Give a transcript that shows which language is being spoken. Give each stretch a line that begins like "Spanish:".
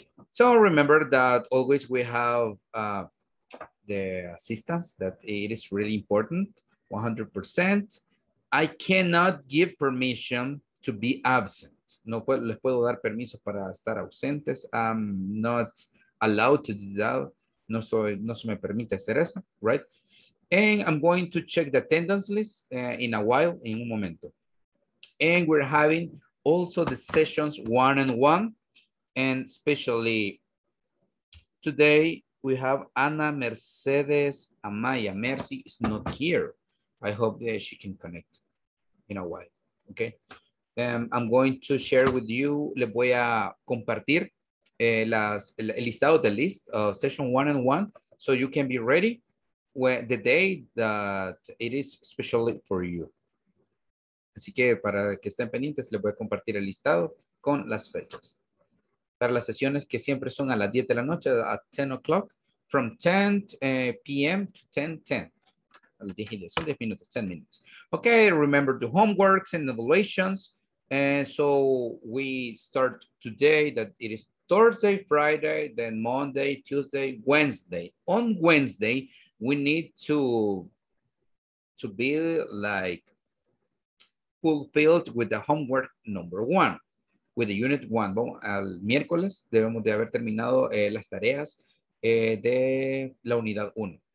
English: So remember that always we have the assistance, that it is really important, 100%. I cannot give permission to be absent.
Spanish: No puedo, les puedo dar permiso para estar ausentes.
English: I'm not allowed to do that.
Spanish: No se me permite hacer eso,
English: right? And I'm going to check the attendance list in a while,
Spanish: en un momento.
English: And we're having also the sessions 1-on-1, and especially today we have Ana Mercedes Amaya. Mercy is not here. I hope that she can connect in a while, okay? I'm going to share with you,
Spanish: le voy a compartir el listado,
English: the list of session 1-on-1, so you can be ready when the day that it is especially for you.
Spanish: Así que para que estén pendientes, les voy a compartir el listado con las fechas. Para las sesiones que siempre son a las 10 de la noche,
English: at 10 o'clock, from 10 p.m. to 10:10.
Spanish: Son 10 minutos,
English: 10 minutes. Okay, remember the homeworks and evaluations. And so we start today, that it is Thursday, Friday, then Monday, Tuesday, Wednesday. On Wednesday, we need to be like fulfilled with the homework number one, with the unit one.
Spanish: Bueno, al miércoles debemos de haber terminado las tareas de la unidad uno.